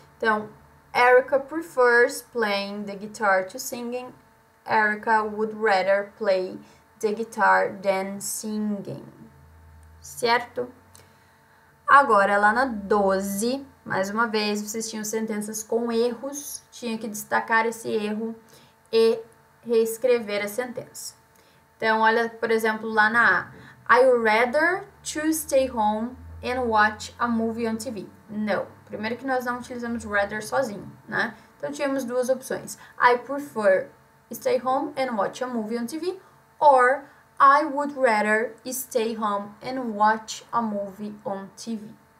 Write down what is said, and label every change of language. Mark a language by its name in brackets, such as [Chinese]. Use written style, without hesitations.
[Portuguese] Então, [English] Erica prefers playing the guitar to singing. Erica would rather play the guitar than singing. [Portuguese] Certo? Agora, lá na 12, mais uma vez, vocês tinham sentenças com erros. Tinha que destacar esse erro e reescrever a sentença. Então, olha, por exemplo, lá na A. [English] I would rather to stay home and watch a movie on TV. [Portuguese] Não. Primeiro que nós não utilizamos rather sozinho, né? Então, tínhamos duas opções. [English] I prefer stay home and watch a movie on TV. Or, I would rather stay home and watch a movie on TV.